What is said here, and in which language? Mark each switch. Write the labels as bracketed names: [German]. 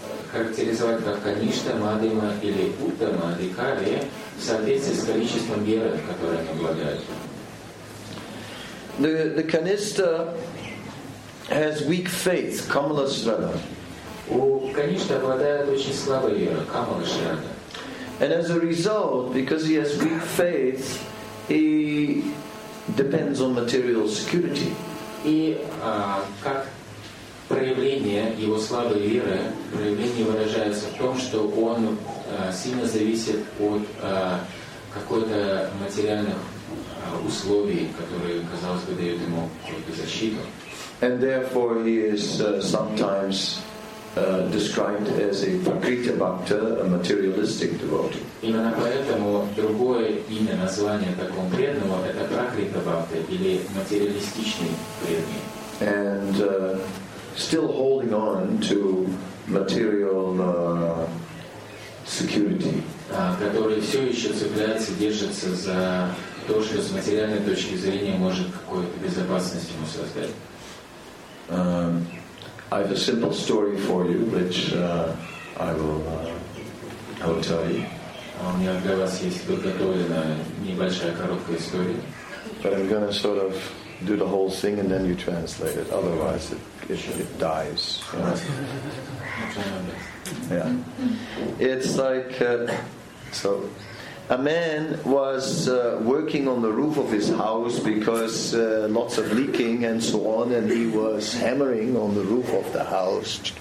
[Russian] Характеризовать как Каништа, Мадхима или Уттама, Адхикари в соответствии с количеством веры, которое они обладают. [English] The Kanista has weak faith, Kamala Shraddha. [Russian] У Каништа обладает очень слабой верой, Kamala Shraddha. [English] And as a result, because he has weak faith, he depends on material security. [Russian] И как проявление его слабой веры, проявление выражается в том, что он сильно зависит от какой-то материальных условий, которые, казалось бы, дают ему какую-то защиту. [English] And therefore he is sometimes described as a prakriti bhakta, a materialistic devotee. [Russian] Именно поэтому другое имя, название такого преданного, это прокрита бхакта или материалистичный преданный. [English] And still holding on to material security. [Russian] Который все еще цепляется, держится за то, что с материальной точки зрения может какую-то безопасность ему создать. [English] I have a simple story for you, which I will tell you. [Russian] У меня для вас есть подготовлена небольшая короткая история. [English] But I'm gonna sort of do the whole thing and then you translate it. Otherwise it dies. Yeah. It's like so a man was working on the roof of his house because lots of leaking and so on, and he was hammering on the roof of the house.